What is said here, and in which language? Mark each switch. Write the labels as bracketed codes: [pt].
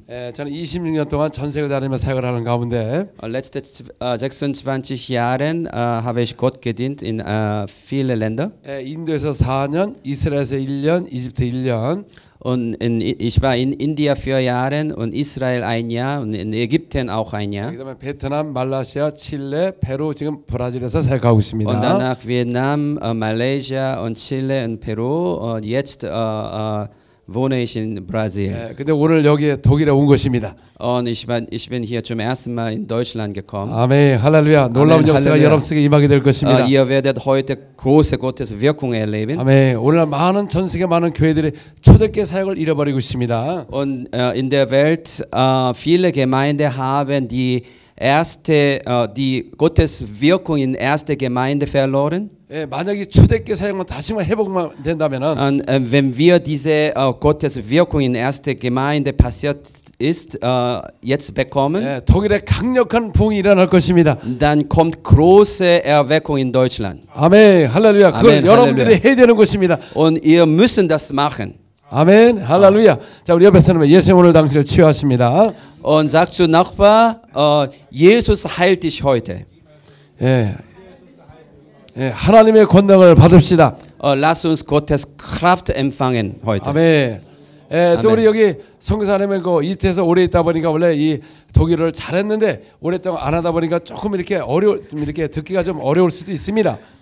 [ko] 예, 저는 26년 동안 전 세계 다니며 사역을 하는 가운데 [de] letzte 26 Jahren habe ich Gott gedient in viele Länder. [ko] 예, 인도에서 4년, 이스라엘에서 1년, 이집트 1년. [de] Und in, ich war in India vier Jahre und Israel ein Jahr und in Ägypten auch ein Jahr. [ko] 그다음에 베트남, 말라시아, 칠레, 페루 지금 브라질에서 살고 있습니다. [de] Und danach Vietnam, Malaysia und Chile und Peru. Jetzt wohne ich in Brasilien. [ko] 네, 근데 오늘 여기에 독일에 온 것입니다. [de] Und ich bin hier zum ersten Mal in Deutschland gekommen. [ko] 아멘, 할렐루야. 놀라운 역사가 여러분 속에 임하게 될 것입니다. [de] Ihr werdet heute große Gottes Wirkung erleben. [ko] 아멘. 오늘 많은 전 세계 많은 교회들이 초대교회 사역을 잃어버리고 있습니다. [de] Und in der Welt viele Gemeinde haben die erste die Gottes Wirkung in erste Gemeinde verloren. [ko] 예, 만약에 초대교회 사역을 다시 한번 회복만 된다면은 [de] And wenn wir diese Gottes Wirkung in erste Gemeinde passiert ist jetzt bekommen. [ko] 예, 독일에 강력한 부흥이 일어날 것입니다. [de] Dann kommt große Erweckung in Deutschland. [ko] 아멘. 할렐루야. 그걸 아멘, 여러분들이 할렐루야. 해야 되는 것입니다. [de] Und ihr müssen das machen. [ko] 아멘. 할렐루야. 자, 우리 옆에 사람 예수 오늘 당신을 치유하십니다. [de] Und sag zu Nachbar, Jesus heilt dich heute. [ko] 예. 예, 하나님의 권능을 받읍시다. [de] Lass uns Gottes Kraft empfangen heute. [ko] 아멘. 예, 또 우리 여기 선교사님은 그 이태에서 오래 있다 보니까 원래 이 독일어를 잘했는데 오랫동안 안 하다 보니까 조금 이렇게 이렇게 듣기가 좀 어려울 수도 있습니다.